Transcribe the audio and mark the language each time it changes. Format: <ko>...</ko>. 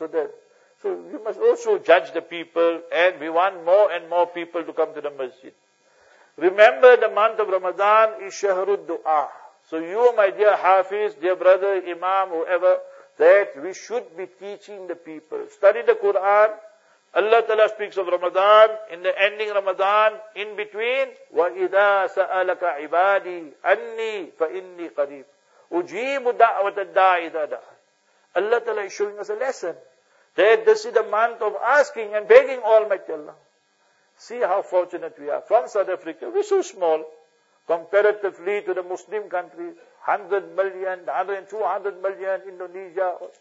<en>So you must also judge the people, and we want more and more people to come to the masjid. Remember the month of Ramadan is Shahrud Dua. So you, my dear Hafiz, dear brother, Imam, whoever, that we should be teaching the people. Study the Quran. Allah Ta'ala speaks of Ramadan. In the ending Ramadan, in between,</en> <ar>وَإِذَا سَأَلَكَ عِبَادِي أَنِّي فَإِنِّي قَرِيبٌ أُجِيبُ دَعْوَةَ الدَّاعِ إِذَا دَعَانِ.</ar> <en>Allah Ta'ala is showing us a lesson. That this is the month of asking and begging Almighty Allah. See how fortunate we are. From South Africa, we're so small, comparatively to the Muslim countries. 100 million, 100, 200 million, Indonesia.</en>